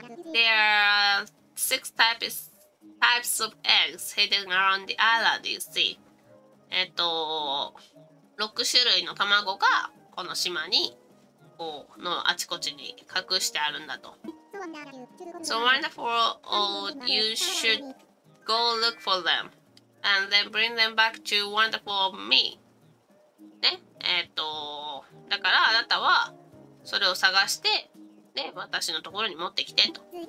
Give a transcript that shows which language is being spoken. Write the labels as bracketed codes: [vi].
[en] There are six types of eggs hidden around the island, you see. [ja] 6種類の卵がこの島にこうのあちこちに隠してあるんだと。 [en] So wonderful, you should go look for them and then bring them back to wonderful me. [ja] ね、だからあなたはそれを探して、ね、私のところに持ってきてと。